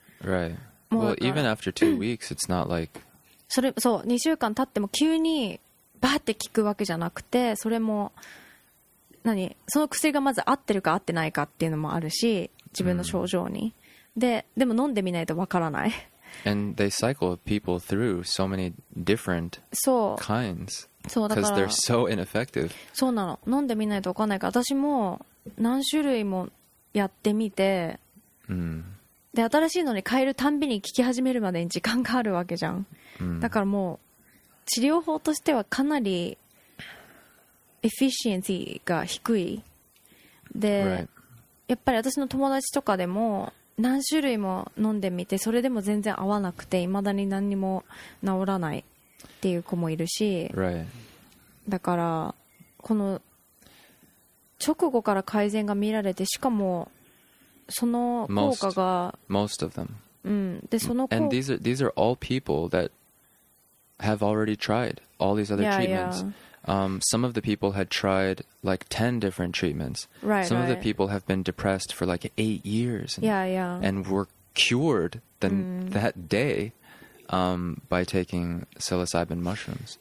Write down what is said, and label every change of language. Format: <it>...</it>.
<en>right. Well, even after 2 weeks, it's not like</en> <ja>それそう2週間経っても急にバーって効くわけじゃなくて、それも何その薬がまず合ってるか合ってないかっていうのもあるし、自分の症状に、mm. でも飲んでみないとわからない。</ja> <en>And they cycle people through so many different kinds because they're so ineffective.</en> <ja>そうなの。飲んでみないと分かんないから、私も何種類もやってみて、 mm. で新しいのに変えるたんびに効き始めるまでに時間があるわけじゃん、 mm. だからもう治療法としてはかなりエフィシエンシーが低いで、</ja> <en>right.</en> <ja>やっぱり私の友達とかでも何種類も飲んでみてそれでも全然合わなくて、いまだに何にも治らないっていう子もいるし、</ja> <en>right.</en> <ja>だからこの直後から改善が見られて、しかもその効果が</ja> <en>most of them、</en> <ja>うん、でその</ja> <en>and these are all people that have already tried all these other treatments、 yeah, yeah. Some of the people had tried like 10 different treatments. Right, some of the people have been depressed for like 8 years and, yeah, yeah. and were cured the,、mm. that day、by taking psilocybin mushrooms.</en>